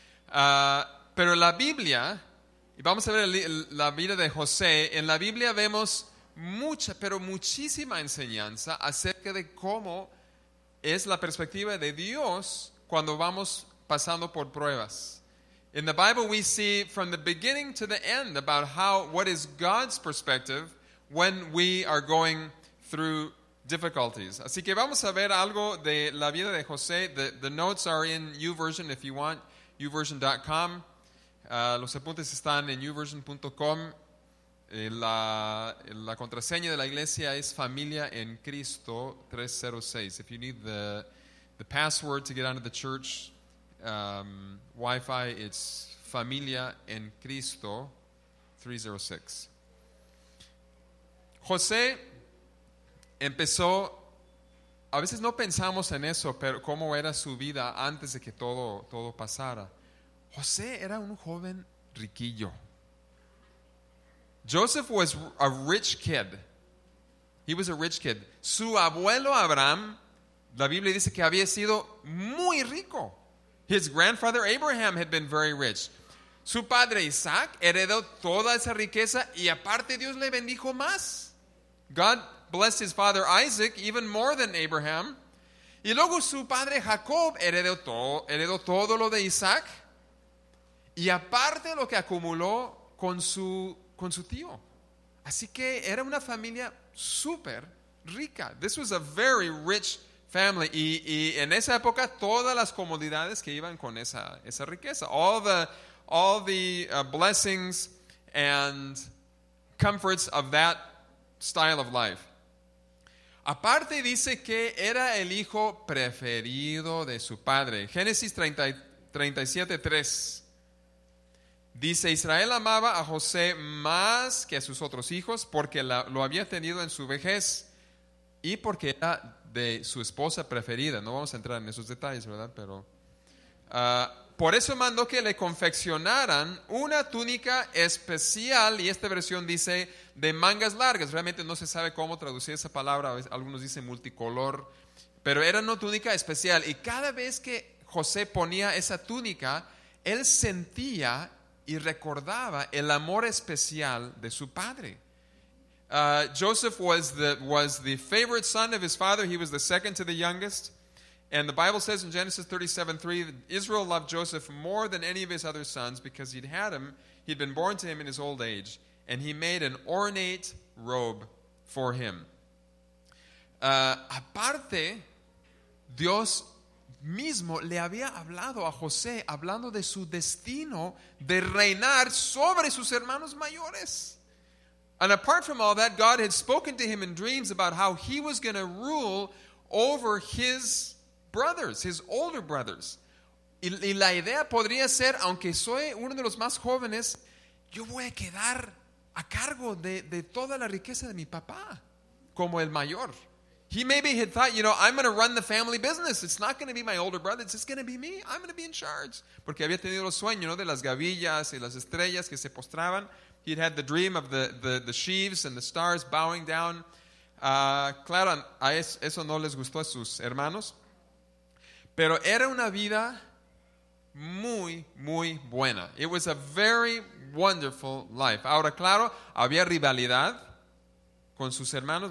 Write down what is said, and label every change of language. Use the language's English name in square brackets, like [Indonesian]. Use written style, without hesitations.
[Spanish] Pero la Biblia, y vamos a ver la vida de José, en la Biblia vemos mucha, pero muchísima enseñanza acerca de cómo es la perspectiva de Dios cuando vamos pasando por pruebas. [English] In the Bible, we see from the beginning to the end about what is God's perspective when we are going through difficulties. [Spanish] Así que vamos a ver algo de la vida de José. [English] The notes are in YouVersion if you want, YouVersion.com. [Spanish] Los apuntes están en YouVersion.com. La contraseña de la iglesia es Familia en Cristo 306. [English] If you need the password to get onto the church Wi-Fi, it's Familia en Cristo 306. [Spanish] José empezó, a veces no pensamos en eso, pero cómo era su vida antes de que todo pasara. José era un joven riquillo. [English] Joseph was a rich kid. He was a rich kid. [Spanish] Su abuelo Abraham, la Biblia dice que había sido muy rico. [English] His grandfather Abraham had been very rich. [Spanish] Su padre Isaac heredó toda esa riqueza y aparte Dios le bendijo más. [English] God blessed his father Isaac even more than Abraham. [Spanish] Y luego su padre Jacob heredó todo lo de Isaac. Y aparte lo que acumuló con su tío. Así que era una familia súper rica. [English] This was a very rich family. [Spanish] Y en esa época todas las comodidades que iban con esa riqueza. [English] All the blessings and comforts of that style of life. [Spanish] Aparte dice que era el hijo preferido de su padre. Génesis 37:3 dice, Israel amaba a José más que a sus otros hijos porque lo había tenido en su vejez y porque era de su esposa preferida. No vamos a entrar en esos detalles, ¿verdad? Pero por eso mandó que le confeccionaran una túnica especial, y esta versión dice, de mangas largas. Realmente no se sabe cómo traducir esa palabra, algunos dicen multicolor, pero era una túnica especial. Y cada vez que José ponía esa túnica, él sentía y recordaba el amor especial de su padre. [English] Joseph was the favorite son of his father. He was the second to the youngest. And the Bible says in Genesis 37:3 that Israel loved Joseph more than any of his other sons because he'd been born to him in his old age, and he made an ornate robe for him. [Spanish] Aparte, Dios mismo le había hablado a José, hablando de su destino de reinar sobre sus hermanos mayores. [English] And apart from all that, God had spoken to him in dreams about how he was going to rule over his brothers, his older brothers. [Spanish] Y la idea podría ser, aunque soy uno de los más jóvenes, yo voy a quedar a cargo de toda la riqueza de mi papá, como el mayor. [English] He maybe had thought, you know, I'm going to run the family business. It's not going to be my older brother. It's just going to be me. I'm going to be in charge. [Spanish] Porque había tenido el sueño, ¿no? De las gavillas y las estrellas que se postraban. [English] He'd had the dream of the sheaves and the stars bowing down. [Spanish] Claro, a eso no les gustó a sus hermanos. Pero era una vida muy, muy buena. [English] It was a very wonderful life. [Spanish] Ahora, claro, había rivalidad con sus hermanos.